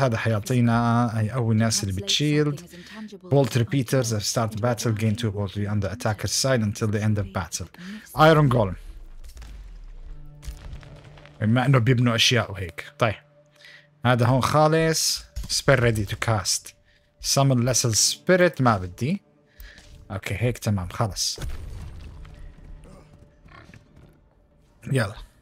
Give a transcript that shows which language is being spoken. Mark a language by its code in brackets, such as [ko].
[ar] هذا حيعطينا يقوي الناس اللي بتشيلد. [en] Bolt repeaters. Start battle. Gain 2 bolts on the attacker's side until the end of battle. Iron golem. [ar] بما انه بيبنوا اشياء وهيك. طيب هذا هون خالص [en] spell ready to cast summon lesser spirit [ar] ما بدي. اوكي هيك تمام خلص يلا.